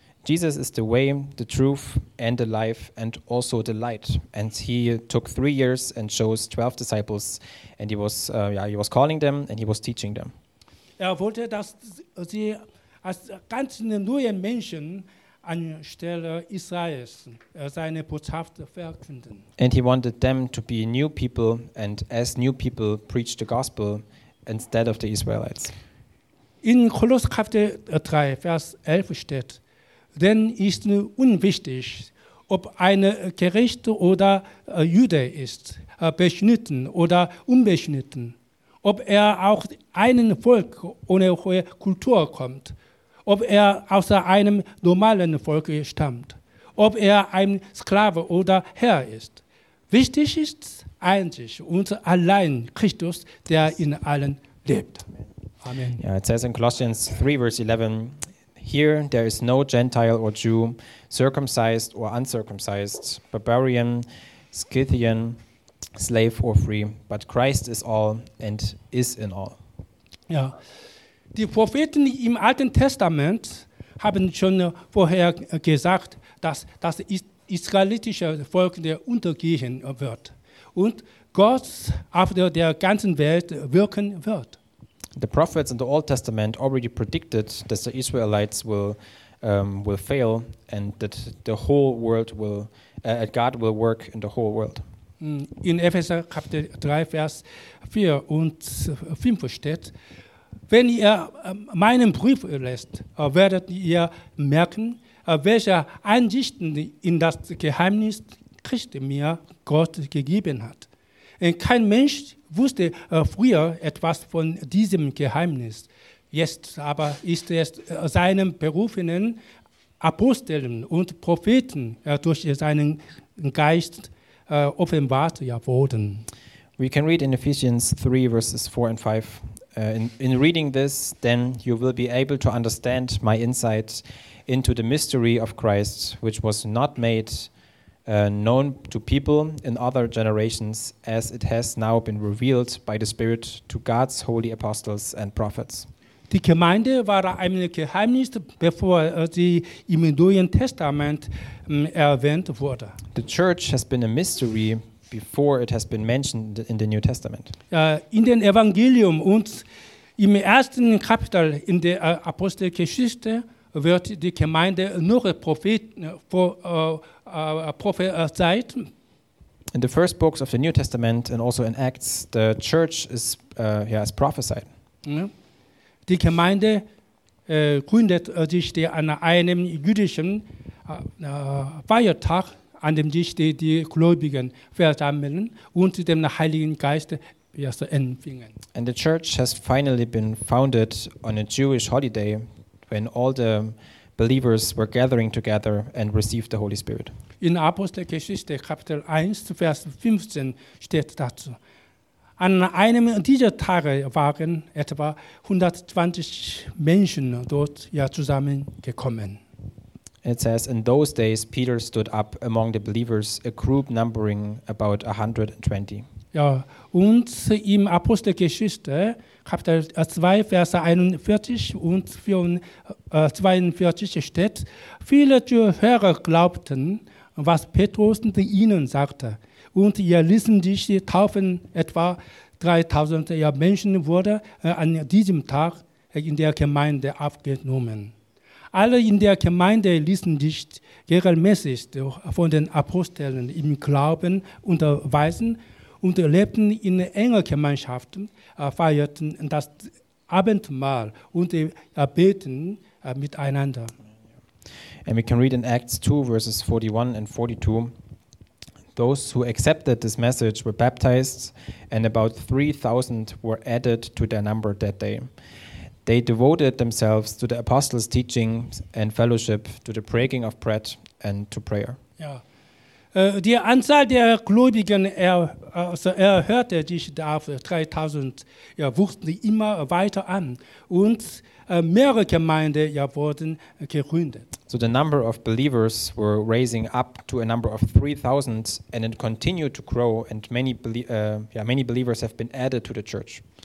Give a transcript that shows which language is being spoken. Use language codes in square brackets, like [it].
[en] Jesus is the way, the truth and the life and also the light. And he took 3 years and chose 12 disciples and he was calling them and he was teaching them. [de] Er wollte, dass sie als ganz neue Menschen anstelle Israels seine Botschaft verkünden. [en] And he wanted them to be new people and as new people preach the gospel instead of the Israelites. [de] In Kolosser Kapitel 3, Vers 11 steht, denn ist nun unwichtig, ob ein Gerechte oder Jude ist, beschnitten oder unbeschnitten, ob er auch einem Volk ohne hohe Kultur kommt, ob er aus einem normalen Volk stammt, ob er ein Sklave oder Herr ist. Wichtig ist einzig und allein Christus, der in allen lebt. Amen. [en] Yeah, it says in Colossians 3, verse 11, here there is no Gentile or Jew, circumcised or uncircumcised, barbarian, Scythian, slave or free, but Christ is all and is in all. Ja. Yeah. [de] Die Propheten im Alten Testament haben schon vorher gesagt, das israelitische Volk der untergehen wird und Gott auf der ganzen Welt wirken wird. [en] The prophets in the Old Testament already predicted that the Israelites will fail and that the whole world will God will work in the whole world. [de] In Epheser Kapitel 3 Vers 4 und 5 steht: Wenn ihr meinen Brief lest, werdet ihr merken, welche Einsichten in das Geheimnis Christi mir Gott gegeben hat. Kein Mensch wusste früher etwas von diesem Geheimnis. Jetzt aber ist es seinen berufenen Aposteln und Propheten durch seinen Geist offenbart worden. [en] We can read in Ephesians 3, verses 4 and 5. In reading this, then you will be able to understand my insight into the mystery of Christ, which was not made known to people in other generations, as it has now been revealed by the Spirit to God's holy apostles and prophets. [de] Die Gemeinde war ein Geheimnis, bevor sie im Neuen Testament erwähnt wurde. [en] The church has been a mystery before it has been mentioned in the New Testament. [de] In den Evangelium und im ersten Kapitel in der Apostelgeschichte wird die Gemeinde nur prophezeit. [en] In the first books of the New Testament and also in Acts, the church is is prophesied. [de] Die Gemeinde gründet sich an einem jüdischen Feiertag, an dem sich die Gläubigen versammeln und dem Heiligen Geist empfingen. [en] And the church has finally been founded on a Jewish holiday, when all the believers were gathering together and received the Holy Spirit. [de] In Apostelgeschichte Kapitel 1, Vers 15 steht dazu: An einem dieser Tage waren etwa 120 Menschen dort zusammengekommen. [en] It says, in those days Peter stood up among the believers, a group numbering about 120. [de] Und im Apostelgeschichte, Kapitel 2, Vers 41 und 42 steht: Viele Zuhörer glaubten, was Petrus ihnen sagte, und ihr ließen sich taufen. Etwa 3000 Menschen wurden an diesem Tag in der Gemeinde aufgenommen. Alle in der Gemeinde ließen sich regelmäßig von den Aposteln im Glauben unterweisen und lebten in enger Gemeinschaft, feierten das Abendmahl und beten miteinander. [en] And we can read in Acts 2, verses 41 and 42. Those who accepted this message were baptized, and about 3,000 were added to their number that day. They devoted themselves to the apostles' teachings and fellowship, to the breaking of bread and to prayer. [de] Die Anzahl der Gläubigen erhöhte sich auf 3000, wuchsen immer weiter an und mehrere Gemeinden wurden gegründet. [en] So the number of believers were raising up to a number of 3000 and it continued to grow and many believers have been added to the church.